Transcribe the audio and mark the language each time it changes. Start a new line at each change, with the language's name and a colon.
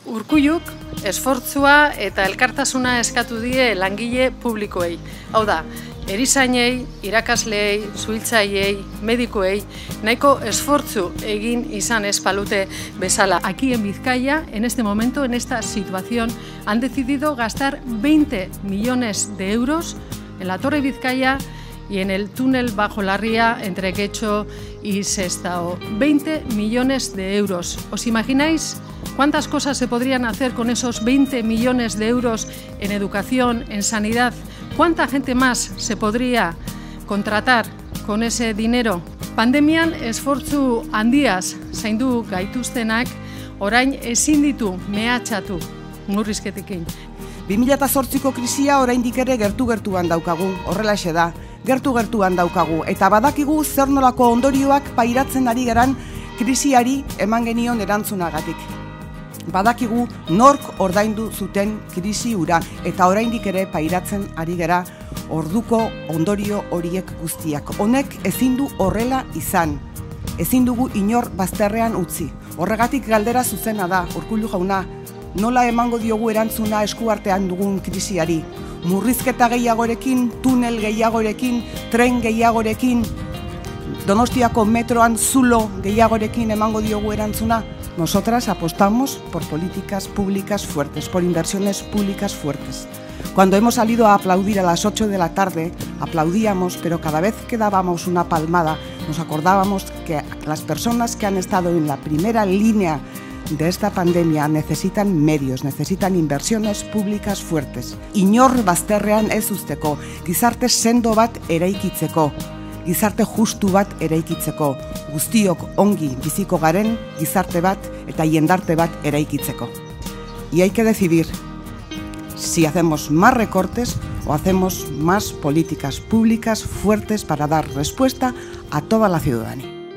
Basque: Urkulluk esfortzua eta elkartasuna eskatu die langile publikoei. Hau da, erizainei, irakasleei, suhiltzaileei, medikuei, nahiko esfortzu egin izan ez palute bezala.
Spanish: Aquí en Bizkaia, en este momento, en esta situación, han decidido gastar 20 millones de euros en la Torre Bizkaia y en el túnel bajo la ría entre Getxo y Sestao. 20 millones de euros. ¿Os imagináis cuántas cosas se podrían hacer con esos 20 millones de euros en educación, en sanidad? ¿Cuánta gente más se podría contratar con ese dinero?
Basque: Pandemian esfortzu handiaz zaindu gaituztenak orain ezin ditu mehatxatu murrizketekin. 2008ko krisia oraindik ere gertu-gertuan daukagu, horrelaxe da, gertu-gertuan daukagu, eta badakigu zer nolako ondorioak pairatzen ari geran krisiari eman genion erantzunagatik. Badakigu nork ordaindu zuten krisi hura eta oraindik ere pairatzen ari gera orduko ondorio horiek guztiak. Honek ezin du horrela izan. Ezin dugu inor bazterrean utzi. Horregatik galdera zuzena da, Urkullu jauna, nola emango diogu erantzuna eskuartean dugun krisiari? Murrizketa gehiagorekin, tunel gehiagorekin, tren gehiagorekin, Donostiako metroan zulo gehiagorekin emango diogu erantzuna?
Spanish: Nosotras apostamos por políticas públicas fuertes, por inversiones públicas fuertes. Cuando hemos salido a aplaudir a las 8 de la tarde, aplaudíamos, pero cada vez que dábamos una palmada, nos acordábamos que las personas que han estado en la primera línea de esta pandemia necesitan medios, necesitan inversiones públicas fuertes.
Basque: Inor bazterrean ez uzteko, gizarte sendo bat eraikitzeko. Gizarte justu bat eraikitzeko, guztiok ongi biziko garen gizarte bat eta jendarte bat eraikitzeko.
Spanish: Y hay que decidir si hacemos más recortes o hacemos más políticas públicas fuertes para dar respuesta a toda la ciudadanía.